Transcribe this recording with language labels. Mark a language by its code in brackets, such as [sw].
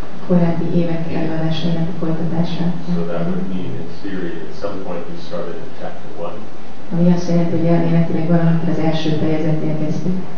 [hu] Korábbi évek előadásának a folytatása. [en] So that would mean in theory at some point we started in chapter 1. [hu] Ami azt jelenti, hogy elméletileg valamikor az első fejezetnél kezdtük.